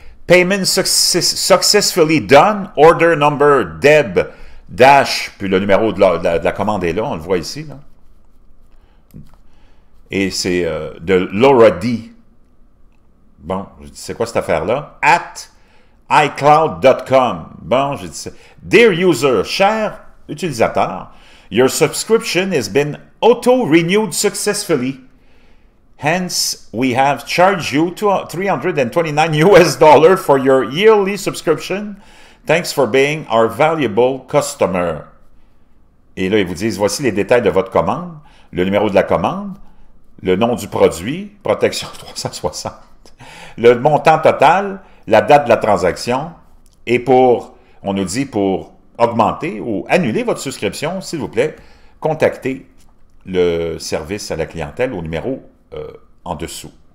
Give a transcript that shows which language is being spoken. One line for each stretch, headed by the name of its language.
English: Payment successfully done. Order number Deb dash.
French: Puis le numéro de la commande est là. On le voit ici. Là. Et c'est de Laura D. Bon, je dis, c'est quoi cette affaire-là?
English: At iCloud.com.
French: Bon, je dis,
English: dear user,
French: cher utilisateur,
English: your subscription has been auto-renewed successfully. Hence, we have charged you $329 for your yearly subscription. Thanks for being our valuable customer.
French: Et là, ils vous disent, voici les détails de votre commande, le numéro de la commande, le nom du produit, protection 360, le montant total, la date de la transaction, et on nous dit pour augmenter ou annuler votre subscription, s'il vous plaît, contactez le service à la clientèle au numéro en dessous.